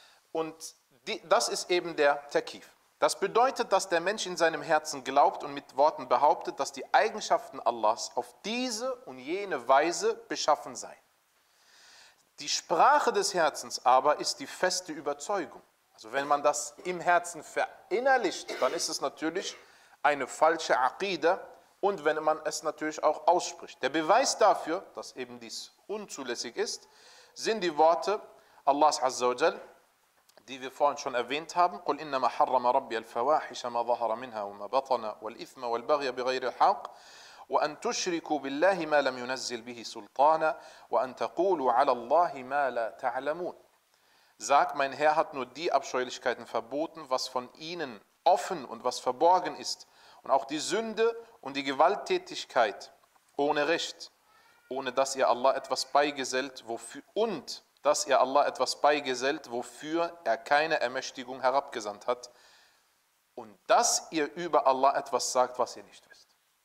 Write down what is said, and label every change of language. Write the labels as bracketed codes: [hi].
[de] Und das ist eben der Takif. Das bedeutet, dass der Mensch in seinem Herzen glaubt und mit Worten behauptet, dass die Eigenschaften Allahs auf diese und jene Weise beschaffen seien. Die Sprache des Herzens aber ist die feste Überzeugung. Also wenn man das im Herzen verinnerlicht, dann ist es natürlich eine falsche Aqida, und wenn man es natürlich auch ausspricht. Der Beweis dafür, dass eben dies unzulässig ist, sind die Worte Allahs Azza wa Jal, die wir vorhin schon erwähnt haben: [ar] قُلْ إِنَّمَا حَرَّمَ رَبِّيَ الْفَوَاحِشَ مَا ظَهَرَ مِنْهَا وَمَا بَطَنَ وَالْإِثْمَ وَالْبَغْيَ بِغَيْرِ الْحَقِّ وَأَنْ تُشْرِكُوا بِاللَّهِ مَا لَمْ يُنَزِّلْ بِهِ سُلْطَانًا وَأَنْ تَقُولُوا عَلَى اللَّهِ مَا لَا تَعْلَمُونَ. [de] Sag, mein Herr hat nur die Abscheulichkeiten verboten, was von ihnen offen und was verborgen ist, und auch die Sünde und die Gewalttätigkeit ohne Recht, ohne dass ihr Allah etwas beigesellt, wofür er keine Ermächtigung herabgesandt hat, und dass ihr über Allah etwas sagt, was ihr nicht wisst.